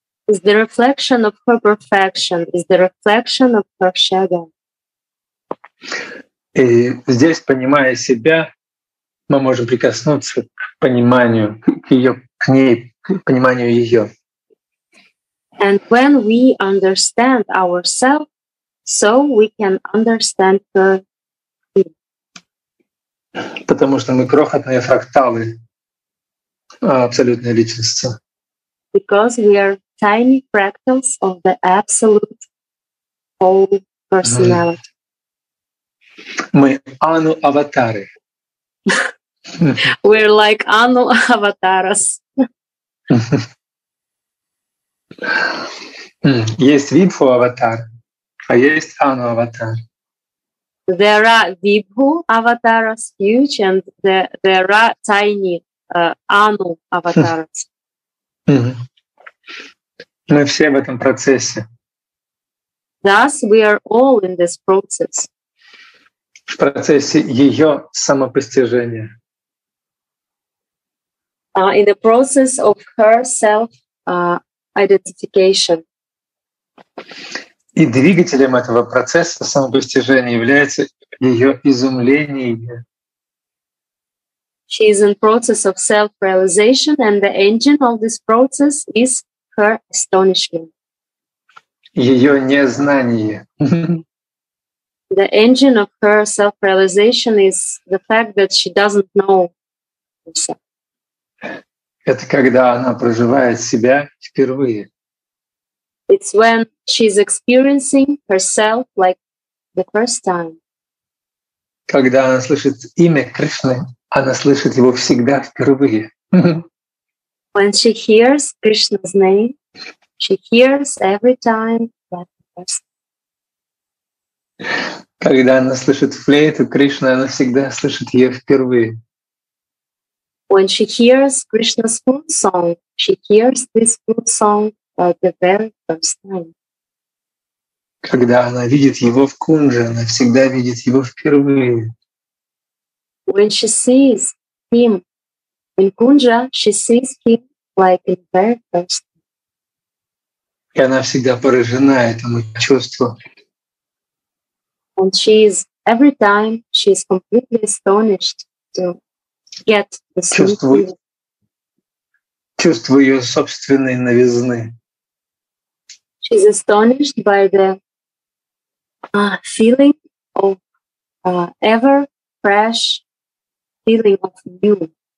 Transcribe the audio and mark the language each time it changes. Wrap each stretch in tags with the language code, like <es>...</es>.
<en>Is the reflection of her perfection. Is the reflection of her shadow.</en> <ru>И здесь, понимая себя, мы можем прикоснуться к пониманию к ней, к пониманию ее.</ru> <en>And when we understand ourselves, so we can understand her.</en> <ru>Потому что мы крохотные фракталы абсолютной личности.</ru> <en>Because we are tiny fractals of the absolute whole personality.</en> <ru>Мы Ану аватары.</ru> <en>We're like Ану аватарас.</en> <ru>Есть Вибху аватар, а есть Ану аватар.</ru> <en>There are Vibhu avatars, huge, and there are tiny Anu avatars.</en> <ru>Мы все в этом процессе.</ru> <en>Thus, we are all in this process.</en> <ru>В процессе ее самопостижения.</ru> <en>In the process of her self-identification.</en> <ru>И двигателем этого процесса самопостижения является ее изумление.</ru> <en>She is in process of self-realization, and the engine of this process is her astonishment.</en> <ru>Ее незнание.</ru> <en>The engine of her self-realization is the fact that she doesn't know herself.</en> <ru>Это когда она проживает себя впервые.</ru> <en>It's when she's experiencing herself like the first time.</en> <ru>Когда она слышит имя Кришны, она слышит его всегда впервые.</ru> <en>When she hears Krishna's name, she hears every time like the first time.</en> <ru>Когда она слышит флейту Кришны, она всегда слышит ее впервые.</ru> <en>When she hears Krishna's flute song, she hears this flute song. The very first time.</en> <ru>Когда она видит его в кунже, она всегда видит его впервые.</ru> <en>When she sees him in kunja, she sees him like in very first time.</en> <ru>И она всегда поражена этому чувству.</ru> <en>And she is every time she is completely astonished to get the</en> <ru>чувство ее собственной новизны.</ru> <en>She's astonished by the feeling of ever fresh feeling of new.</en>